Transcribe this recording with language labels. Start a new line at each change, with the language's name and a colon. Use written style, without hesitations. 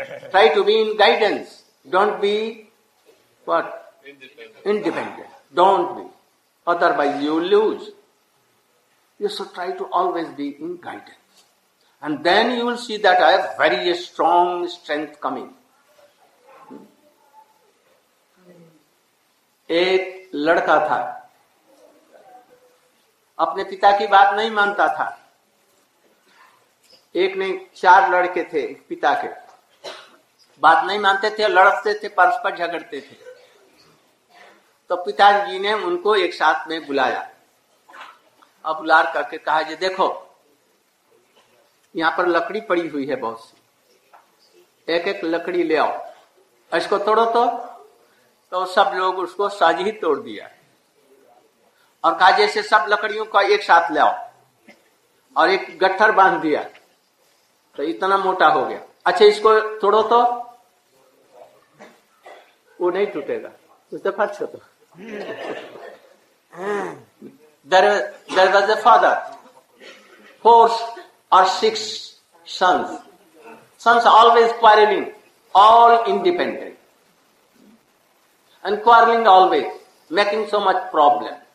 English: Try to be in guidance. Don't be what? Independent. Don't be. Otherwise, you will lose. You should try to always be in guidance. And then you will see that I have very strong strength coming.
Hindi: एक लड़का था, अपने पिता की बात नहीं मानता था. एक ने चार लड़के थे पिता के, बात नहीं मानते थे, लड़ते थे, परस्पर झगड़ते थे. तो पिताजी ने उनको एक साथ में बुलाया. अब लार करके कहा, जी देखो यहाँ पर लकड़ी पड़ी हुई है बहुत सी, एक एक लकड़ी ले आओ, इसको तोड़ो. तो सब लोग उसको साझ ही तोड़ दिया और कहा, जैसे सब लकड़ियों का एक साथ ले आओ, और एक गट्ठर बांध दिया तो इतना मोटा हो गया. अच्छा इसको तोड़ो तो वो नहीं टूटेगा. उसने पूछा तो
English: There was a father, four or six sons. Sons are always quarreling, all independent. And quarreling always, making so much problem.